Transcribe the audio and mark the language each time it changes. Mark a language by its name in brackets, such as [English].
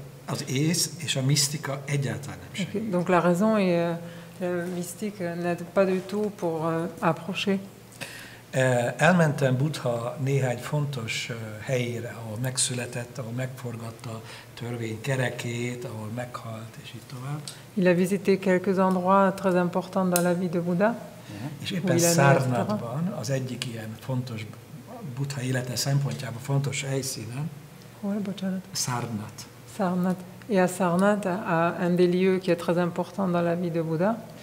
[Hungarian] Az ész és a misztika egyáltalán nem segít. Okay. [French] Donc la raison et la mystique n'aide pas du tout pour approcher. [Hungarian] Elmentem Buddha néhány fontos helyére, ahol megszületett, ahol megforgatta a törvény kerekét, ahol meghalt, és így tovább. [French] Il a visité quelques endroits très importants dans la vie de Buddha. [Hungarian] És éppen Sarnathban, az egyik ilyen fontos Buddha élete szempontjában fontos helyszínen. Hol, bocsánat? Sarnath. Sarnath. [French] Et à Sarnath, à un des lieux qui est très important dans la vie de Buddha.